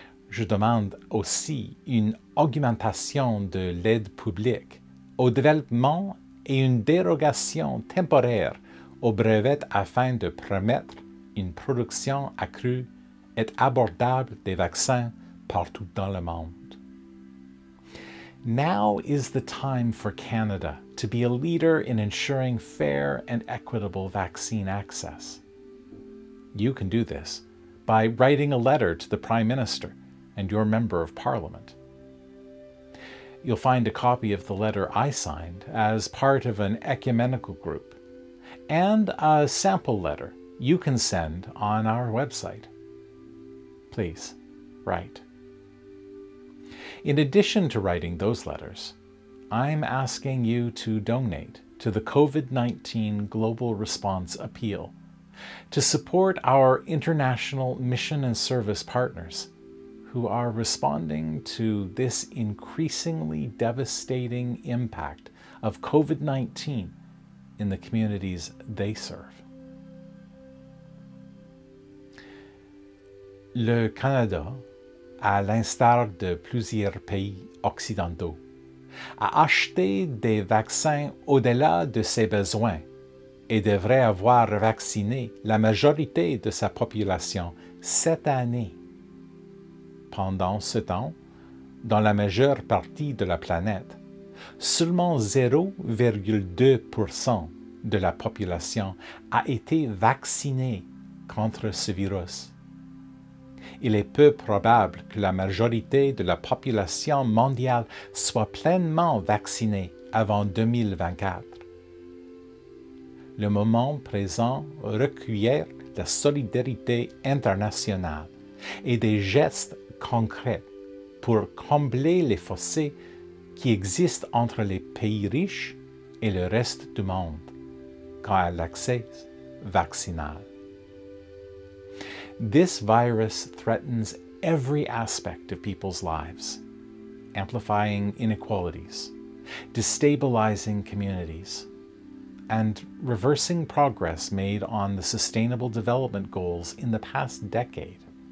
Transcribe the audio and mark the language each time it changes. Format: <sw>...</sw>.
<fr>Je demande aussi une augmentation de l'aide publique au développement et une dérogation temporaire aux brevets afin de permettre une production accrue et abordable des vaccins partout dans le monde.</fr> <en>Now is the time for Canada to be a leader in ensuring fair and equitable vaccine access. You can do this by writing a letter to the Prime Minister and your Member of Parliament. You'll find a copy of the letter I signed as part of an ecumenical group, and a sample letter you can send on our website. Please, write. In addition to writing those letters, I'm asking you to donate to the COVID-19 Global Response Appeal to support our international mission and service partners who are responding to this increasingly devastating impact of COVID-19 in the communities they serve.</en> <fr>Le Canada, à l'instar de plusieurs pays occidentaux, a acheté des vaccins au-delà de ses besoins et devrait avoir vacciné la majorité de sa population cette année. Pendant ce temps, dans la majeure partie de la planète, seulement 0,2% de la population a été vaccinée contre ce virus. Il est peu probable que la majorité de la population mondiale soit pleinement vaccinée avant 2024. Le moment présent requiert la solidarité internationale et des gestes concrète pour combler les fossés qui existent entre les pays riches et le reste du monde quant à l'accès vaccinal.</fr> <en>This virus threatens every aspect of people's lives, amplifying inequalities, destabilizing communities, and reversing progress made on the Sustainable Development Goals in the past decade.</en>